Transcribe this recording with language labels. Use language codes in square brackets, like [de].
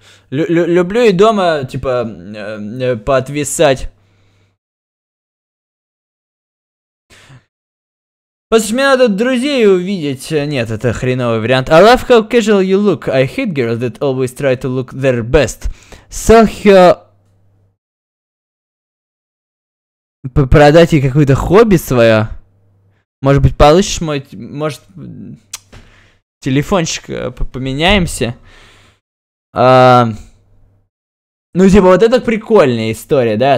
[ru] Люблю и дома, типа, поотвисать. Послушай, мне надо друзей увидеть. Нет, это хреновый вариант. [en] I love how casual you look. I hate girls that always try to look their best. So here... [ru] Продать ей какое-то хобби свое? Может быть, получишь мой... Может... Телефончик, поменяемся. Ну, типа, вот это прикольная история, да?